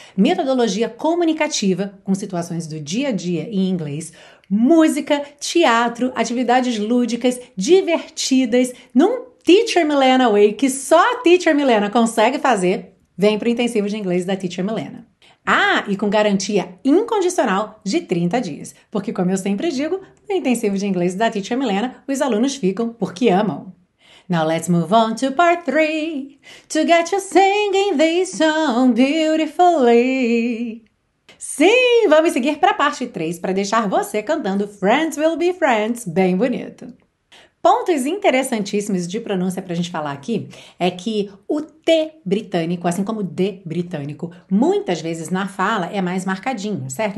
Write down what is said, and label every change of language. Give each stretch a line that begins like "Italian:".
Portuguese: metodologia comunicativa com situações do dia a dia em inglês, música, teatro, atividades lúdicas, divertidas, num Teacher Milena Way que só a Teacher Milena consegue fazer. Vem para o intensivo de inglês da Teacher Milena. Ah, e com garantia incondicional de 30 dias. Porque, como eu sempre digo, no intensivo de inglês da Teacher Milena, os alunos ficam porque amam.
English: Now let's move on to part 3. To get you singing this song beautifully.
Portuguese: Sim, vamos seguir para a parte 3 para deixar você cantando Friends Will Be Friends bem bonito. Pontos interessantíssimos de pronúncia para a gente falar aqui é que o T britânico, assim como o D britânico, muitas vezes na fala é mais marcadinho, certo?